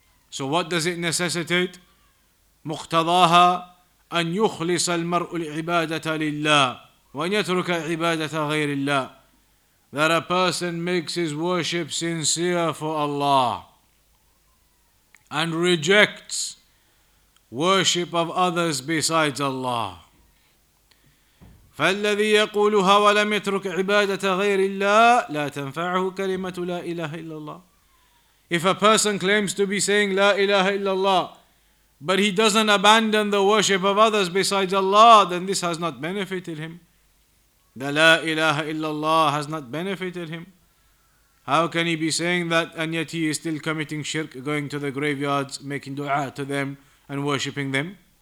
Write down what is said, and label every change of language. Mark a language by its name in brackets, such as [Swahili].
[English] So what does it necessitate? [Arabic] مُقْتَضَاهَا أَن يُخْلِصَ الْمَرْءُ الْعِبَادَةَ لِلَّهِ وَأَن يَتْرُكَ الْعِبَادَةَ غَيْرِ اللَّهِ. [English] That a person makes his worship sincere for Allah and rejects worship of others besides Allah. [Arabic] فالذي يقولها ولم يترك عبادة غير الله لا تنفعه كلمة لا إله إلا الله. [English] If a person claims to be saying [Arabic] لا إله إلا الله, [English] but he doesn't abandon the worship of others besides Allah, then this has not benefited him. The [Arabic] لا إله إلا الله [English] has not benefited him. How can he be saying that and yet he is still committing shirk, going to the graveyards, making dua to them and worshipping them?